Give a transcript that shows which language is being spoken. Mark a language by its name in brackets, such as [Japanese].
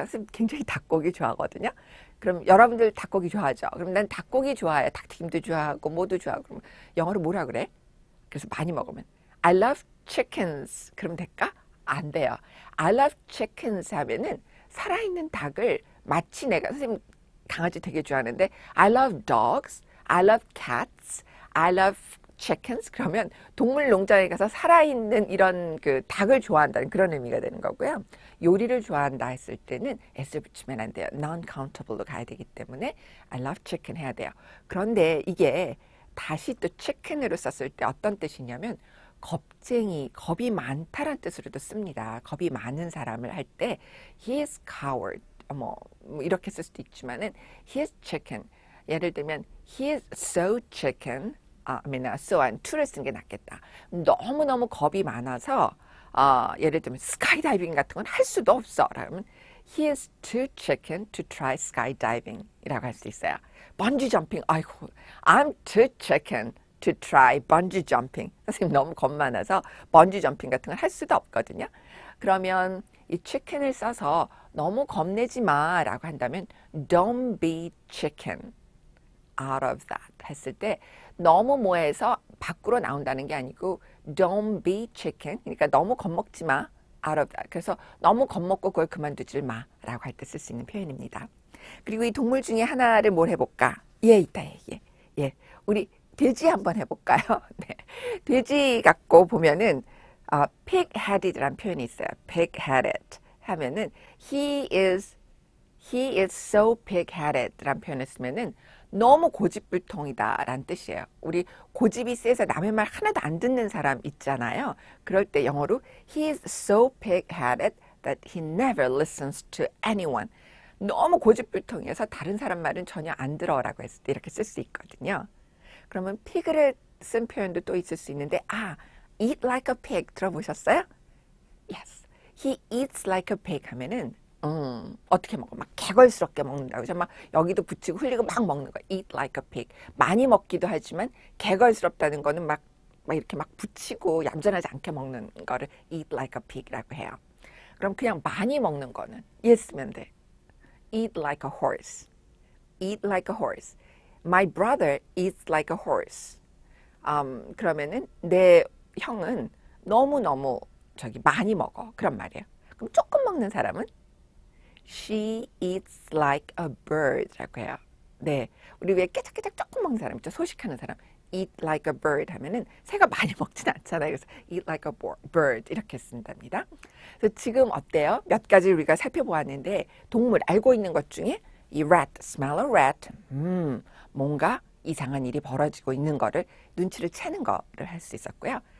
[Korean] 선생님 굉장히 닭고기 좋아하거든요. 그럼 여러분들 닭고기 좋아하죠. 그럼 난 닭고기 좋아해. 닭튀김도 좋아하고 뭐도 좋아하고 그럼 영어로 뭐라 그래? 그래서 많이 먹으면 [English] I love chickens. [Korean] 그럼 될까? 안 돼요. [English] I love chickens [Korean] 하면은 살아있는 닭을 마치 내가 선생님 강아지 되게 좋아하는데 [English] I love dogs, I love cats, I love chickens. [Korean] 그러면 동물 농장에 가서 살아있는 이런 그 닭을 좋아한다는 그런 의미가 되는 거고요. 요리를 좋아한다 했을 때는 S 붙이면 안 돼요. Non-countable로 가야 되기 때문에 [English] I love chicken [Korean] 해야 돼요. 그런데 이게 다시 또 chicken으로 썼을 때 어떤 뜻이냐면 겁쟁이, 겁이 많다란 뜻으로도 씁니다. 겁이 많은 사람을 할 때 [English] He is coward [Korean] 이렇게 쓸 수도 있지만은 [English] He is chicken [Korean] 예를 들면 [English] he is so chicken. [Korean] so on. to를 쓰는 게 낫겠다. 너무너무 겁이 많아서 예를 들면 스카이다이빙 같은 건할 수도 없어. [English] 그러면 he is too chicken to try skydiving이라고 [Korean] 할수 있어요. 번지 점핑. 아이고. [English] I'm too chicken to try bungee jumping. [Korean] 선생님 너무 겁 많아서 번지 점핑 같은 건할 수도 없거든요. 그러면 이 chicken을 써서 너무 겁내지 마라고 한다면 [English] don't be chicken out of that [Korean] 했을 때 너무 뭐해서 밖으로 나온다는 게 아니고 [English] don't be chicken [Korean] 그러니까 너무 겁먹지 마 [English] out of that [Korean] 그래서 너무 겁먹고 그걸 그만두지 마라고 할때쓸수 있는 표현입니다. 그리고 이 동물 중에 하나를 뭘 해볼까? 예, 있다 예. 우리 돼지 한번 해볼까요? 네. 돼지 갖고 보면은 pig-headed란 표현이 있어요. pig-headed 하면은 [English] he is so pig-headed [Korean] 란 표현을 쓰면은 너무 고집불통이다란 뜻이에요. 우리 고집이 세서 남의 말 하나도 안 듣는 사람 있잖아요. 그럴 때 영어로 [English] he is so pig-headed that he never listens to anyone. [Korean] 너무 고집불통이어서 다른 사람 말은 전혀 안 들어라고 했을 때 이렇게 쓸수 있거든요. 그러면 pig을 쓴 표현도 또 있을 수 있는데 [English] eat like a pig [Korean] 들어보셨어요? [English] Yes. He eats like a pig [Korean] 하면은 어떻게 먹어? 막 개걸스럽게 먹는다고. 막 여기도 붙이고 흘리고 막 먹는 거. [English] Eat like a pig. [Korean] 많이 먹기도 하지만 개걸스럽다는 거는 막 이렇게 막 붙이고 얌전하지 않게 먹는 거를 [English] eat like a pig [Korean] 이라고 해요. 그럼 그냥 많이 먹는 거는 yes 쓰면 돼. [English] Eat like a horse. Eat like a horse. My brother eats like a horse. [Korean] 그러면은 내 형은 너무너무 저기 많이 먹어. 그런 말이에요. 그럼 조금 먹는 사람은? [English] She eats like a bird라고 [Korean] 해요. 네. 우리 왜 깨작깨작 조금 먹는 사람 있죠? 소식하는 사람. [English] Eat like a bird [Korean] 하면은 새가 많이 먹진 않잖아요. 그래서 [English] eat like a bird [Korean] 이렇게 쓴답니다. 그래서 지금 어때요? 몇 가지 우리가 살펴보았는데 동물 알고 있는 것 중에 이 rat, [English] smell a rat. [Korean] 뭔가 이상한 일이 벌어지고 있는 거를 눈치를 채는 거를 할수 있었고요.